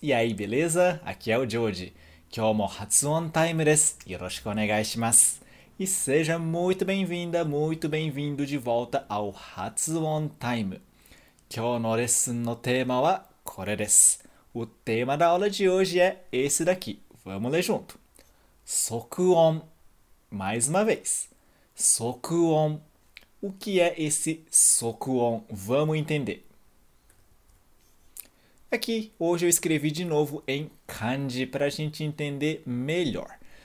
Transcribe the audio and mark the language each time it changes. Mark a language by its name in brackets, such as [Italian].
[Japanese] いやい、ベレーザ、アキアオ・ジョージ。今日も発音タイムです。よろしくお願いします。 [Portuguese] E seja muito bem-vinda, muito bem-vindo de volta ao 発音タイム。 [Japanese] 今日のレッスンのテーマはこれです。 [Portuguese] O tema da aula de hoje é esse daqui. Vamos ler junto. 速音。Mais uma vez. [Japanese] 速音。 [Portuguese] O que é esse 速音? Vamos entender. Aqui, hoje eu escrevi de novo em kanji para a gente entender melhor.